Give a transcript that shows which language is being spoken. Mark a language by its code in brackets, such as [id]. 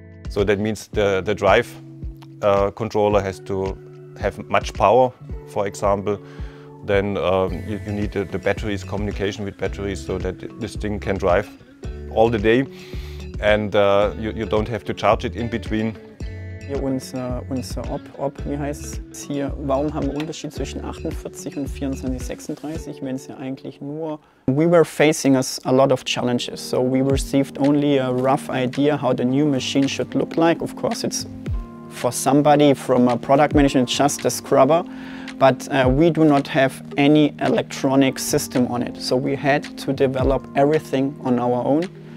[en] So that means the drive controller has to have much power, for example. Then you need the batteries, communication with batteries, so that this thing can drive all the day, and you don't have to charge it in between. [de] Ja, unser wie heißt es hier, warum haben wir Unterschied zwischen 48 und 24,36, wenn es ja eigentlich nur... [en] We were facing a lot of challenges, so we received only a rough idea how the new machine should look like. Of course, it's for somebody from a product management, just a scrubber. but we do not have any electronic system on it. So we had to develop everything on our own.